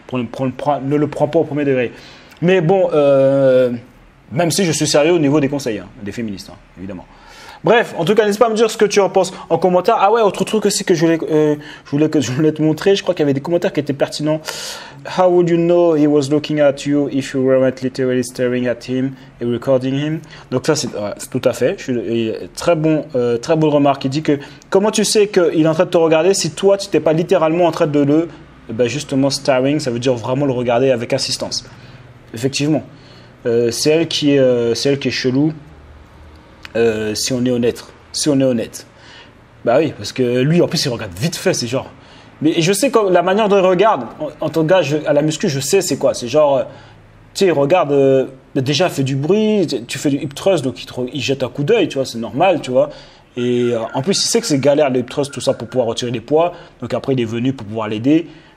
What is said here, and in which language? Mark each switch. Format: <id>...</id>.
<fr>Ne le prends pas au premier degré. Mais bon, même si je suis sérieux au niveau des conseils, hein, des féministes, hein, évidemment. Bref, en tout cas, n'hésite pas à me dire ce que tu en penses en commentaire. Ah ouais, autre truc aussi que je voulais te montrer, je crois qu'il y avait des commentaires qui étaient pertinents.</fr> <en>How would you know he was looking at you if you weren't literally staring at him and recording him?</en> <fr>Donc ça, c'est tout à fait. Très bonne remarque. Il dit que comment tu sais qu'il est en train de te regarder si toi, tu n'étais pas littéralement en train de le... Ben justement, staring, ça veut dire vraiment le regarder avec insistance. Effectivement. C'est elle qui est chelou. Si on est honnête, bah oui, parce que lui en plus il regarde vite fait, c'est genre, mais je sais comme la manière dont il regarde en tant que gars à la muscu, je sais c'est quoi, c'est genre, tu sais, il regarde déjà, fait du bruit, tu fais du hip thrust, donc il jette un coup d'œil, tu vois, c'est normal, tu vois, et en plus il sait que c'est galère le hip thrust, tout ça, pour pouvoir retirer les poids, donc après il est venu pour pouvoir l'aider.</fr>